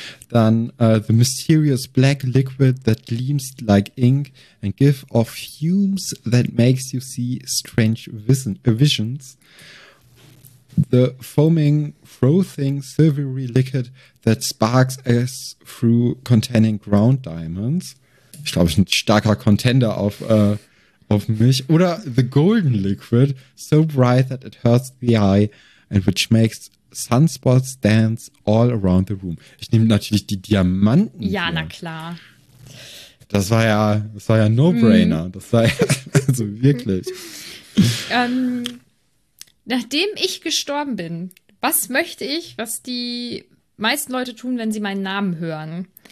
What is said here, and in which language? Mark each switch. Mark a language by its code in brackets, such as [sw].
[de] Dann [en] the mysterious black liquid that gleams like ink and gives off fumes that makes you see strange visions. The foaming, frothing, silvery liquid that sparks as through containing ground diamonds. [de] Ich glaube, ein starker Contender auf mich. Oder [en] the golden liquid, so bright that it hurts the eye and which makes sunspots dance all around the room. [de] Ich nehme natürlich die Diamanten. Ja, hier. Na klar. Das war ja No-Brainer. Mm. Das war ja, also wirklich. Nachdem ich gestorben bin, was möchte ich, was die meisten Leute tun, wenn sie meinen Namen hören?